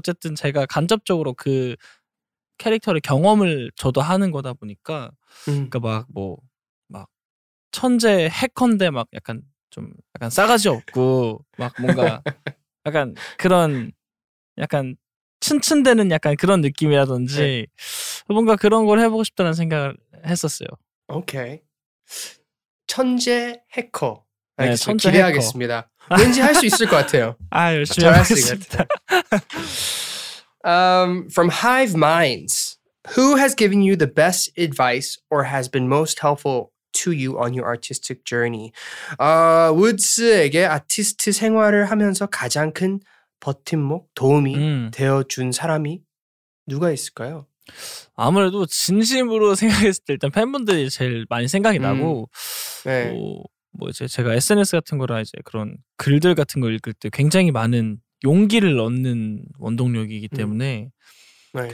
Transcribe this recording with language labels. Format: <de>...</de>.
<ko>어쨌든 제가 간접적으로 그 캐릭터를 경험을 저도 하는 거다 보니까 그러니까 막 뭐 막 천재 해커인데 막 약간 좀 약간 싸가지 없고 막 뭔가 약간 그런 약간 츤츤대는 약간 그런 느낌이라든지 네. 뭔가 그런 걸 해보고 싶다는 생각을 했었어요. 오케이. 천재 해커. 네, 천재 기대하겠습니다. 해커. 왠지 할 수 있을 것 같아요. 아, 열심히 잘 할 수 있을 것 같아요.</ko> <en>From Hive Minds, who has given you the best advice or has been most helpful to you on your artistic journey?</en> <ko>Woods에게 아티스트 생활을 하면서 가장 큰 버팀목, 도움이 되어준 사람이 누가 있을까요? 아무래도 진심으로 생각했을 때 일단 팬분들이 제일 많이 생각이 나고 네. 뭐 이제 제가 SNS 같은 거나 이제 그런 글들 같은 거 읽을 때 굉장히 많은 용기를 얻는 원동력이기 때문에 네.</ko>